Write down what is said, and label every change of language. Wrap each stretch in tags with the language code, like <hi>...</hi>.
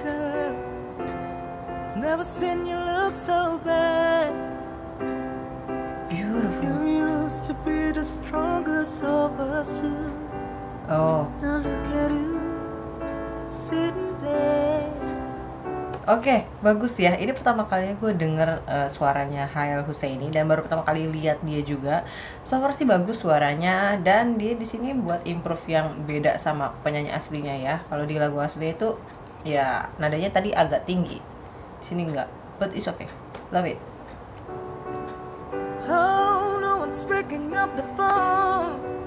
<en>Girl, I've never seen you look so bad. Beautiful. You used to be the strongest of us two. Oh. Now look at you sitting there.</en> <id>Okay, bagus ya. Ini pertama kalinya gue denger suaranya Hail Husaini dan baru pertama kali lihat dia juga.</id> <en>So far</en> <id>sih bagus suaranya dan dia di sini buat improve yang beda sama penyanyi aslinya ya. Kalau di lagu aslinya itu ya nadanya tadi agak tinggi. Di sini enggak.</id> <en>But it's okay. Love it. Oh, no one's picking up the phone.</en>